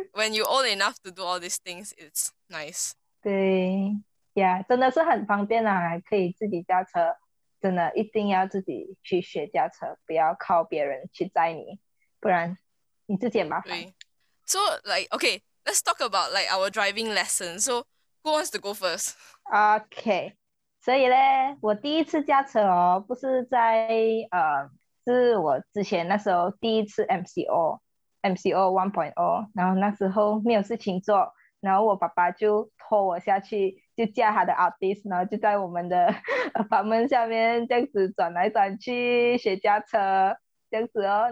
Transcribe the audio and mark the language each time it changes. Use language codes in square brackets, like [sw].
[en] when you're old enough to do all these things it's nice [zh] 对呀、 [en] yeah, [zh] 真的是很方便啦、啊、可以自己驾车真的一定要自己去学驾车，不要靠别人去载你，不然你自己也麻烦。 [en] 对 So like okay, let's talk about like our driving lesson. So who wants to go first? [zh] Okay, 所以呢，我第一次驾车哦，不是在是我之前那时候第一次 MCO 1.0, 然后那时候没有事情做，然后我爸爸就拖我下去，就驾他的 Altis， 然后就在我们的房门下面这样子转来转去学驾车这样子哦。